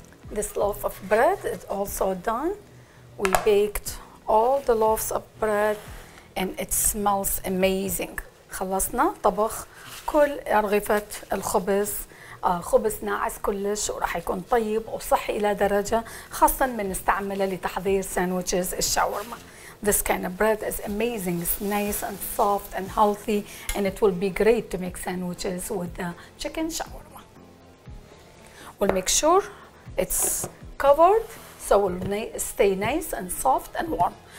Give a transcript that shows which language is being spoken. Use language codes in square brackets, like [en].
[en] This loaf of bread is also done. We baked all the loaves of bread and it smells amazing. [ar] خلصنا طبخ كل أرغفة الخبز. خبز ناعس كلش وراح يكون طيب وصحي إلى درجة خاصة من نستعمله لتحضير ساندويتشز الشاورما. [en] This kind of bread is amazing. It's nice and soft and healthy and it will be great to make sandwiches with the chicken shawarma. We'll make sure it's covered so will stay nice and soft and warm.